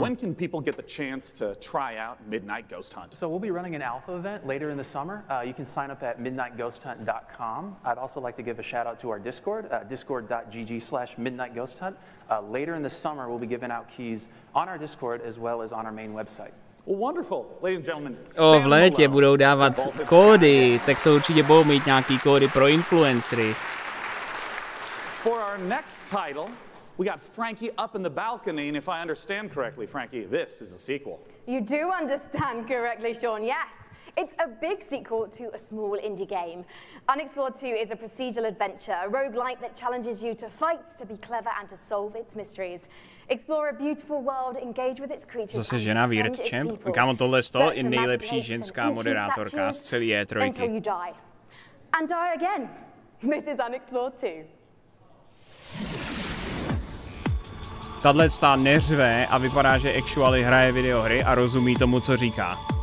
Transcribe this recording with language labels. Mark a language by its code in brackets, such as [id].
[en] When can people get the chance to try out Midnight Ghost Hunt? So we'll be running an alpha event later in the summer. You can sign up at midnightghosthunt.com. I'd also like to give a shout out to our Discord, discord.gg/midnightghosthunt. Later in the summer, we'll be giving out keys on our Discord as well as on our main website. Well, wonderful, ladies and gentlemen. [cs] O, v létě budou dávat kódy, tak to určitě budou mít nějaký kódy pro influencery. [en] For our next title, we got Frankie up in the balcony, and if I understand correctly, Frankie, this is a sequel. You do understand correctly, Sean, yes. It's a big sequel to a small indie game. Unexplored 2 is a procedural adventure, a roguelite that challenges you to fight, to be clever, and to solve its mysteries. Explore a beautiful world, engage with its creatures, [cs] zase žena [en] and befriend its people. [cs] Kámo, tohle je to i nejlepší ženská moderátorka z celé E3. [en] Until you die. And die again. This is Unexplored 2. [cs] Tadle stá neřve a vypadá, že actually hraje videohry a rozumí tomu, co říká.